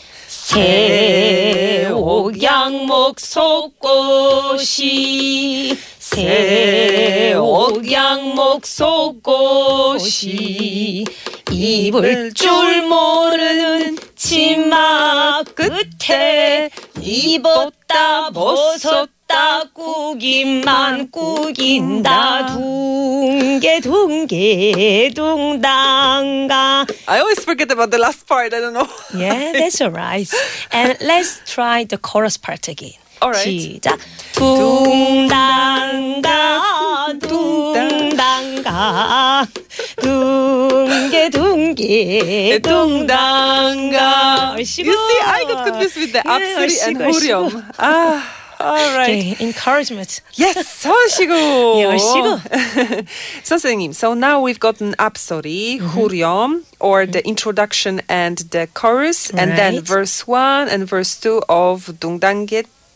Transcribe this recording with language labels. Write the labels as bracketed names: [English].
[Korean] 새 옥양목 속옷이 새 옥양목 속옷이 입을 줄 모르는 치마 끝에 입었다 벗었다 꾸김만 꾸긴다 둥개 둥개 둥당가 [English] I always forget about the last part. I don't know. Yeah, that's all right. And let's try the chorus part again. All right. [Korean] 시작. 둥당가 둥당가 둥개 둥개 둥당가 [English] You see, I got confused with the Apsuri and Horyeom. All right. Okay, encouragement. Yes, 얼씨구. [Korean] 얼씨구. [English] So, 선생님, so now we've gotten Apsuri, Horyeom, or the introduction and the chorus, right. and then verse 1 and verse 2 of 둥당개